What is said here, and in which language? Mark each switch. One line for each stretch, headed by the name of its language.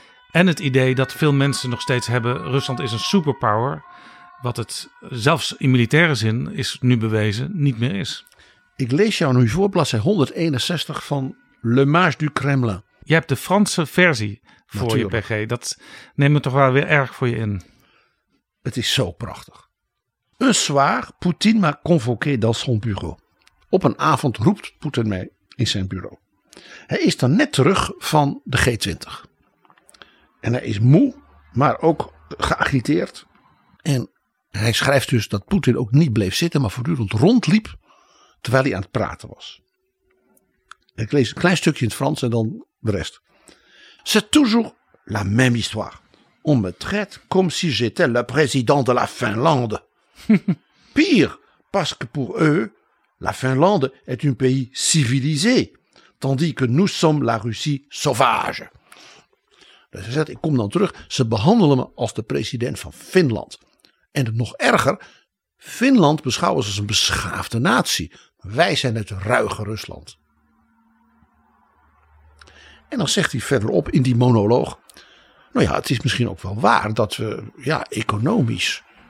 Dutch: En het idee dat veel mensen nog steeds hebben, Rusland is een superpower, wat het zelfs in militaire zin is nu bewezen, niet meer is. Ik lees jou nu voor, bladzij 161 van Le Mage du Kremlin. Jij hebt de Franse versie voor natuurlijk je PG, dat neemt me toch wel weer erg voor je in. Het is zo prachtig.
French: Un soir, Poutine m'a convoqué dans son bureau.
Dutch: Op een avond roept Poetin mij in zijn bureau. Hij is dan net terug van de G20. En hij is moe, maar ook geagiteerd. En hij schrijft dus dat Poetin ook niet bleef zitten, maar voortdurend rondliep terwijl hij aan het praten was. Ik lees een klein stukje in het Frans en dan de rest.
French: C'est toujours la même histoire. On me traite comme si j'étais le président de la Finlande. Pire, parce que pour eux, la Finlande est un pays civilisé, tandis que nous sommes la Russie sauvage.
Dutch: Dus hij zegt, ik kom dan terug, ze behandelen me als de president van Finland. En nog erger, Finland beschouwen ze als een beschaafde natie. Wij zijn het ruige Rusland. En dan zegt hij verderop in die monoloog. Nou ja, het is misschien ook wel waar dat we economisch.